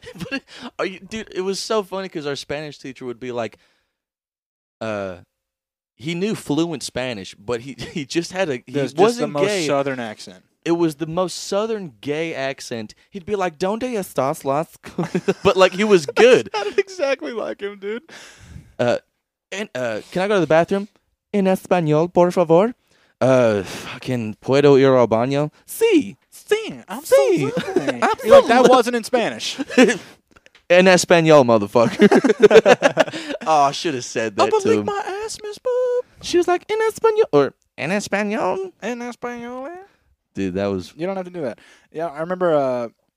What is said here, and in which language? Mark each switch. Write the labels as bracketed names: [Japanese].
[English] But it was so funny because our Spanish teacher would be like, he knew fluent Spanish, but he just had a he just wasn't the most gay. Southern accent. It was the most Southern gay accent. He'd be like, [Spanish] "Donde estás, las?" [English] But like he was good. That sounded exactly like him, dude. Can I go to the bathroom? [Spanish] En español, por favor. Fucking puedo ir al baño? Sí. [English] Absolutely. Absolutely. You're like, that wasn't in Spanish. [Spanish] En español, [English] motherfucker. Oh, I should have said that to him. I'm going to lick my ass, Miss Boop. She was like, [Spanish] en español. [English] Or, [Spanish] en español. En español. [English] Dude, that was... You don't have to do that. Yeah, I remember